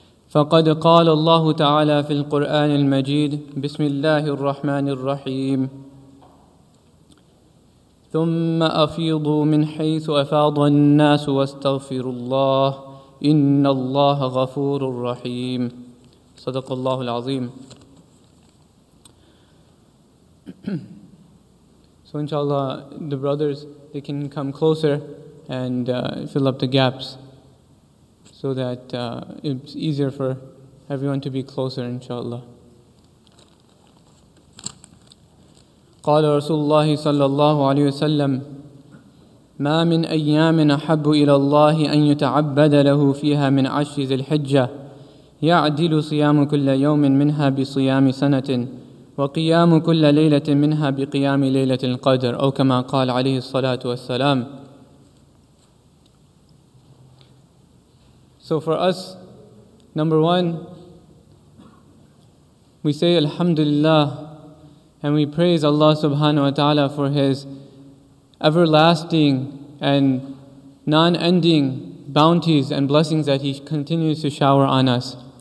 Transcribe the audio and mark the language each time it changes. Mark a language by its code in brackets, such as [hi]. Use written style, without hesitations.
[ar] فقد قال الله تعالى في القرآن المجيد بسم الله الرحمن الرحيم ثم أفيضوا من حيث أفاض الناس واستغفروا الله إن الله غفور رحيم صدق الله العظيم. [en] So inshallah the brothers, they can come closer and fill up the gaps, so that it's easier for everyone to be closer, inshallah. [ar] قال رسول الله صلى الله عليه وسلم ما من أيام أحب إلى الله أن يتعبد له فيها من عشر ذي الحجة يعدل صيام كل يوم منها بصيام سنة وقيام كل ليلة منها بقيام ليلة القدر أو كما قال عليه الصلاة والسلام. [en] So for us, number one, we say Alhamdulillah and we praise Allah subhanahu wa ta'ala for His everlasting and non-ending bounties and blessings that He continues to shower on us.